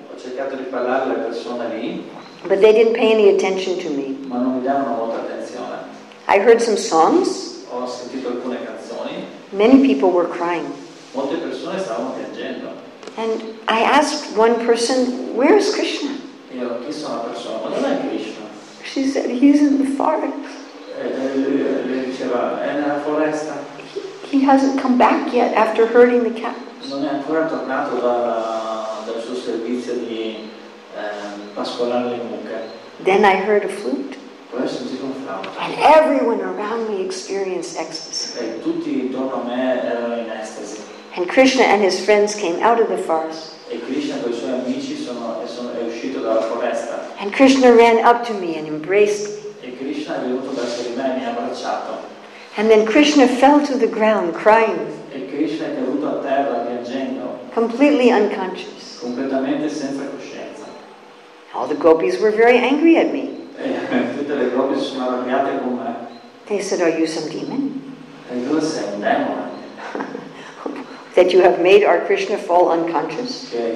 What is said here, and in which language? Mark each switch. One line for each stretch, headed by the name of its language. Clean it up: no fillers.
Italian: Ho cercato di parlare alle persone lì.
English: But they didn't pay any attention to me.
Italian: Ma non mi davano molta attenzione.
English: I heard some songs.
Italian: Ho sentito alcune canzoni.
English: Many people were crying.
Italian: Molte persone stavano piangendo.
English: And I asked one person, "Where is Krishna?"
Italian: E ho chiesto a una persona, "Ma dov'è Krishna?"
English: She said, "He's in the forest."
Italian: Lei diceva, "È nella foresta."
English: He hasn't come back yet after herding the cows.
Italian: Non è ancora tornato dal suo servizio di pascolare le mucche.
English: Then I heard a flute.
Italian: Poi ho sentito un flauto.
English: And everyone around me experienced ecstasy.
Italian: E tutti intorno a me erano in estasi.
English: And Krishna and his friends came out of the forest.
Italian: E Krishna con i suoi amici è uscito dalla foresta.
English: And Krishna ran up to me and embraced me.
Italian: E Krishna è venuto verso di me e mi ha abbracciato.
English: And then Krishna fell to the ground crying.
Italian: E Krishna è caduto a terra piangendo.
English: Completely unconscious.
Italian: Completamente senza coscienza.
English: All the gopis were very angry at me.
Italian: E tutte le gopi si sono arrabbiate con me.
English: They said, "Are you some demon?"
Italian: E tu sei un demone.
English: That you have made our Krishna fall unconscious.